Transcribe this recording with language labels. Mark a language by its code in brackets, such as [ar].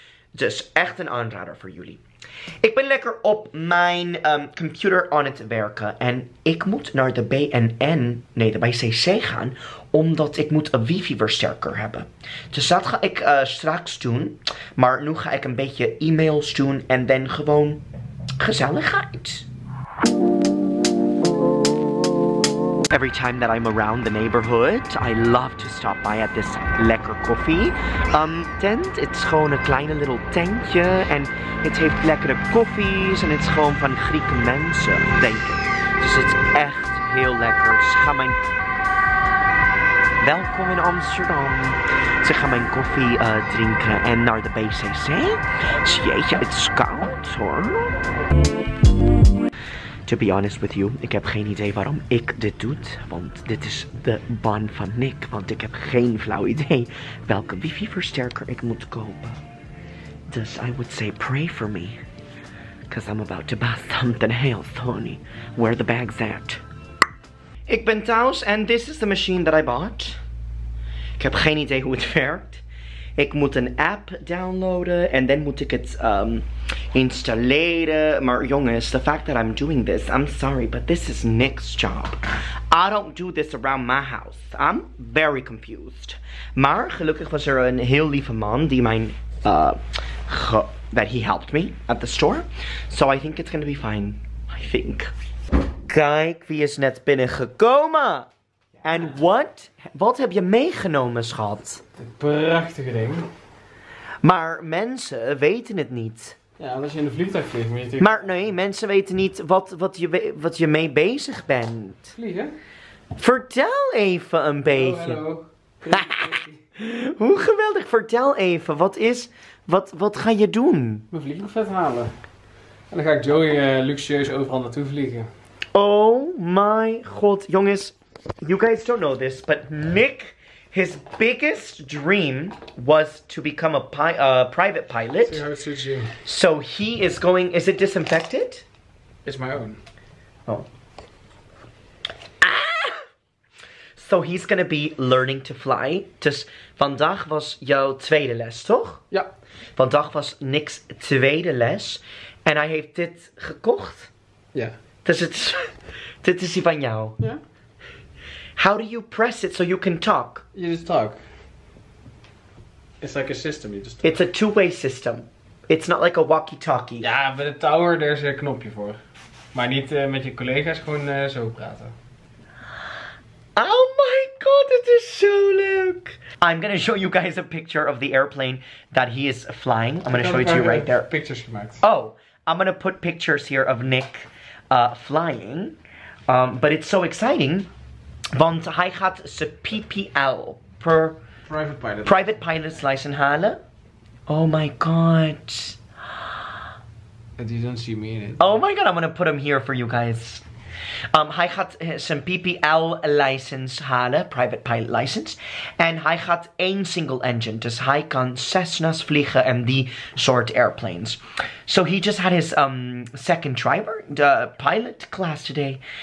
[nl] Dus echt een aanrader voor jullie. Ik ben lekker op mijn computer aan het werken en ik moet naar de BNN, nee, de BCC gaan, omdat ik moet een wifi versterker hebben. Dus dat ga ik straks doen, maar nu ga ik een beetje e-mails doen en dan gewoon gezelligheid. [en] Every time that I'm around the neighborhood, I love to stop by at this [nl] lekker koffie tent. It's gewoon een kleine little tentje en het heeft lekkere koffies en het is gewoon van Grieke mensen, denk ik. Dus het is echt heel lekker. Ze gaan mijn... Welkom in Amsterdam. Ze gaan mijn koffie drinken en naar de BCC. Jeetje, het is koud hoor. [en] To be honest with you, [nl] ik heb geen idee waarom ik dit doe. Want dit is de baan van Nick. Want ik heb geen flauw idee welke wifi versterker ik moet kopen. Dus I would say pray for me. [en] Because I'm about to buy something else, honey. Where are the bags at? [nl] Ik ben thuis en [en] this is the machine that I bought. [nl] Ik heb geen idee hoe het werkt. ik moet een app downloaden en dan moet ik het installeren. Maar jongens, [en] the fact that I'm doing this, I'm sorry, but this is Nick's job. I don't do this around my house. I'm very confused. [nl] Maar gelukkig was er een heel lieve man die mijn [en] that he helped me at the store. So I think it's gonna be fine. I think. [nl] Kijk, wie is net binnengekomen? En wat heb je meegenomen, schat? Een prachtige ding. Maar mensen weten het niet. Ja, als je in de vliegtuig vliegt, moet je natuurlijk... Maar nee, mensen weten niet wat je mee bezig bent. Vliegen? Vertel even een beetje. Hallo. Hoe geweldig, vertel even. Wat ga je doen? Mijn vliegtuigvet halen. En dan ga ik Joey luxueus overal naartoe vliegen. [en] Oh my god, jongens. You guys don't know this, but Nick, his biggest dream was to become a private pilot. So he is going, is it disinfected? It's my own. Oh. Ah! So he's gonna be learning to fly. [nl] Dus vandaag was jouw tweede les, toch? Ja. Vandaag was Nick's tweede les. En hij heeft dit gekocht. Ja. Dus het, dit is die van jou. Ja. [en] How do you press it so you can talk? You just talk. It's like a system, you just talk. It's a two-way system. It's not like a walkie-talkie. [nl] Ja, bij de tower, daar is een knopje voor. Maar niet met je collega's, gewoon zo praten. [en] Oh my god, it is so leuk! I'm gonna show you guys a picture of the airplane that he is flying. I'm gonna show it to you right there. [nl] Pictures gemaakt. [en] Oh, I'm gonna put pictures here of Nick flying. But it's so exciting. [nl] Want hij gaat zijn PPL, [en] private pilot's license halen. Oh my god. You don't see me in it. Oh my god, I'm gonna put him here for you guys. [nl] Hij gaat zijn PPL license halen, [en] private pilot license. [nl] En hij gaat één single engine, dus hij kan Cessnas vliegen en die soort airplanes. [en] So he just had his second driver, the pilot class today.